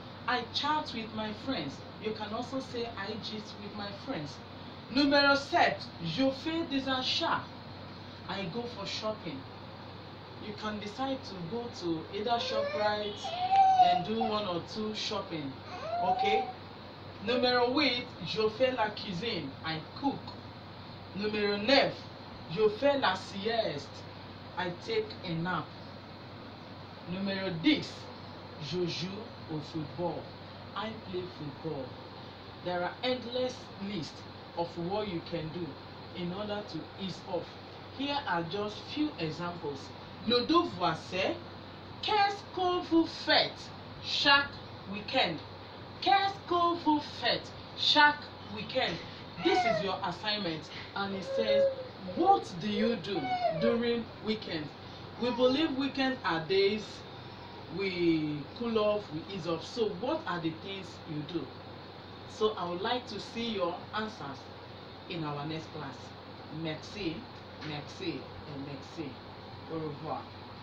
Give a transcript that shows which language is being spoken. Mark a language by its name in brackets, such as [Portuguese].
[English] I chat with my friends. You can also say I gist with my friends. [French] Numéro 7, je fais des achats. [English] I go for shopping. You can decide to go to either ShopRite and do 1 or 2 shopping, okay? [French] Numéro 8, je fais la cuisine, [English] I cook. [French] Numéro 9, je fais la sieste, [English] I take a nap. [French] Numéro 10, je joue au football, [English] I play football. There are endless lists of what you can do in order to ease off. Here are just few examples. [French] Le devoir c'est, qu'est-ce que vous faites chaque week-end? Qu'est-ce que vous faites chaque week-end? [English] This is your assignment, and it says, what do you do during weekends? We believe weekends are days we cool off, we ease off. So what are the things you do? So I would like to see your answers in our next class. [French] Merci, merci, [English] and [French] merci. Au revoir.